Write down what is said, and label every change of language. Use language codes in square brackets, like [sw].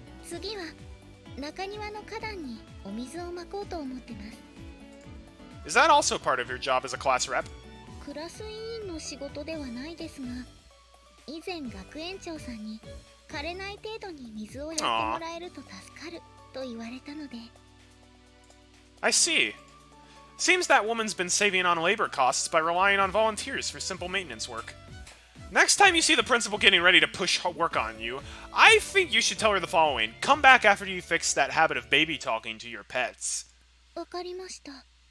[en] Is that also part of your job as a class rep? [ja] クラス委員の仕事ではないですが、以前学園長さんに枯れない程度に水をやってもらえると助かると言われたので。 [en] I see. Seems that woman's been saving on labor costs by relying on volunteers for simple maintenance work. Next time you see the principal getting ready to push work on you, I think you should tell her the following. Come back after you fix that habit of baby talking to your pets. [ja] わかりました。